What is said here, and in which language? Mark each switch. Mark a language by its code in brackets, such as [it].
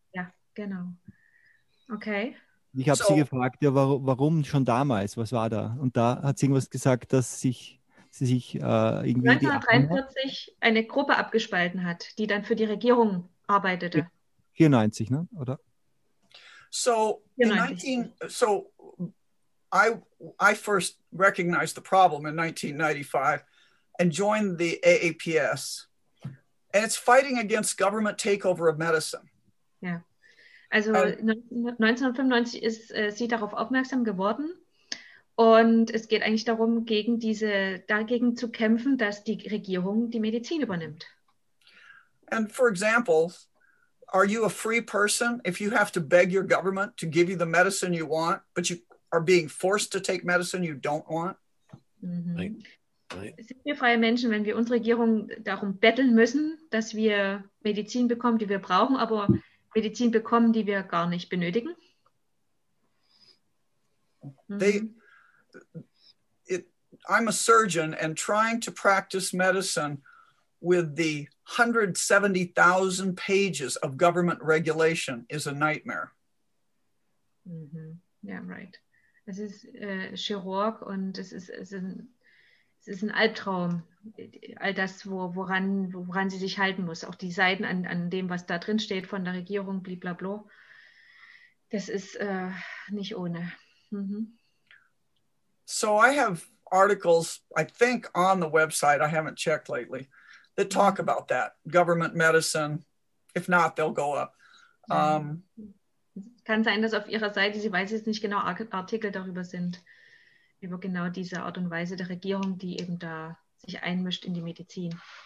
[de] Ja, genau. Okay. Ich habe sie gefragt, ja, warum schon damals? Was war da? Und da hat sie irgendwas gesagt, dass sie sich irgendwie 1943 eine Gruppe abgespalten hat, die dann für die Regierung arbeitete. 94, ne? Oder? [en] So, I first recognized the problem in 1995 and joined the AAPS. And it's fighting against government takeover of medicine. [de] Yeah. Also 1995 ist sie darauf aufmerksam geworden. Und es geht eigentlich darum, dagegen zu kämpfen, dass die Regierung die Medizin übernimmt. [en] And for example, are you a free person if you have to beg your government to give you the medicine you want, but you are being forced to take medicine you don't want? Mm-hmm. [de] Sind wir freie Menschen, wenn wir unsere Regierung darum betteln müssen, dass wir Medizin bekommen, die wir brauchen, aber Medizin bekommen, die wir gar nicht benötigen? Mhm. [en] I'm a surgeon and trying to practice medicine with the 170,000 pages of government regulation is a nightmare. Mhm. Yeah, right. [de] Es ist Chirurg und es ist ein Albtraum, all das, woran sie sich halten muss. Auch die Seiten an dem, was da drin steht von der Regierung, blablabla. Das ist nicht ohne. Mhm. [en] So I have articles, I think, on the website, I haven't checked lately, that talk about that. Government medicine, if not, they'll go up. [de] Kann sein, dass auf ihrer Seite, sie weiß jetzt nicht genau, Artikel darüber sind. Über genau diese Art und Weise der Regierung, die eben da sich einmischt in die Medizin.